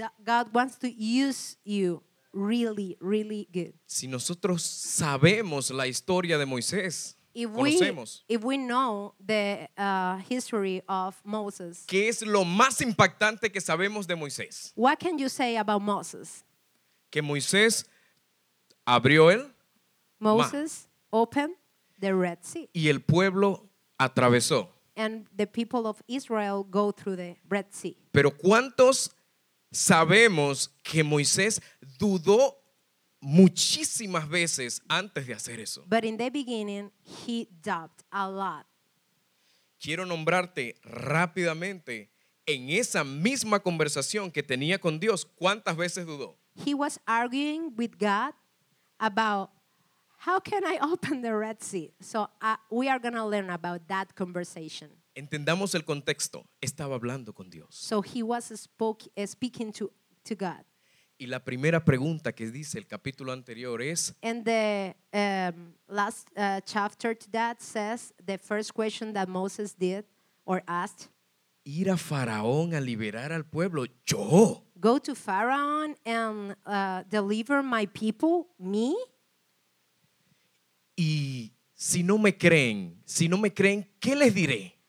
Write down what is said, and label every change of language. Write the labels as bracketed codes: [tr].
[en] God wants to use you really, really good. [es] Si nosotros sabemos la historia de Moisés, conocemos. [en] If we know the history of Moses. [es] ¿Qué es lo más impactante que sabemos de Moisés? [en] What can you say about Moses? [es] Que Moisés abrió él, [en] Moses opened the Red Sea. [es] Y el pueblo atravesó. [en] And the people of Israel go through the Red Sea. [es] Pero ¿cuántos sabemos que Moisés dudó muchísimas veces antes de hacer eso? [en] But in the beginning, he doubted a lot. [es] Quiero nombrarte rápidamente en esa misma conversación que tenía con Dios, ¿cuántas veces dudó? [en] He was arguing with God about how can I open the Red Sea? So we are going to learn about that conversation. [es] Entendamos el contexto. Estaba hablando con Dios. [en] So he was speaking to God. [es] Y la primera pregunta que dice el capítulo anterior es, [en] and the last chapter to that says the first question that Moses did or asked, [es] ir a Faraón a liberar al pueblo, yo. [en] Go to Pharaoh and deliver my people, me. [es] Y si no me creen, si no me creen, ¿qué les diré?